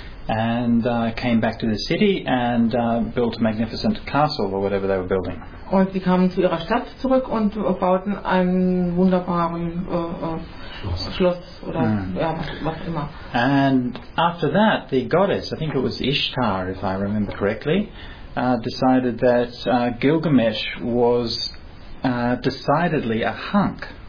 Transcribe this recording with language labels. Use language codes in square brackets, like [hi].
[en] And came back to the city and built a magnificent castle or whatever they were building. [de] Und sie kamen zu ihrer Stadt zurück und bauten ein wunderbares Schloss oder was immer. [en] And after that, the goddess, I think it was Ishtar, if I remember correctly, decided that Gilgamesh was decidedly a hunk.